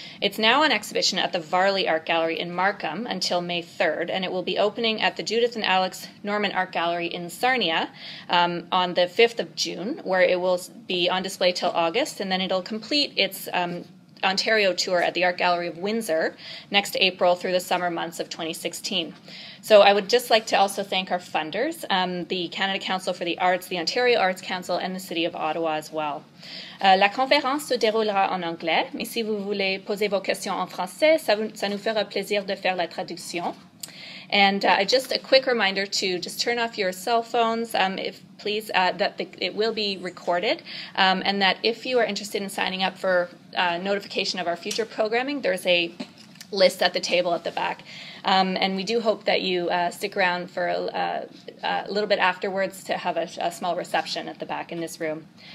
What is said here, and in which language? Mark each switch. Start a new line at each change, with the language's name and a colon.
English: It's now on exhibition at the Varley Art Gallery in Markham until May 3rd, and it will be opening at the Judith and Alex Norman Art Gallery in Sarnia on the 5th of June, where it will be on display till August, and then it'll complete its Ontario tour at the Art Gallery of Windsor next April through the summer months of 2016. So I would just like to also thank our funders, the Canada Council for the Arts, the Ontario Arts Council, and the City of Ottawa as well.
French: La conférence se déroulera en anglais, mais si vous voulez poser vos questions en français, ça nous fera plaisir de faire la traduction.
English: And just a quick reminder to just turn off your cell phones, it will be recorded, and that if you are interested in signing up for notification of our future programming, there's a list at the table at the back. And we do hope that you stick around for a little bit afterwards to have a small reception at the back in this room.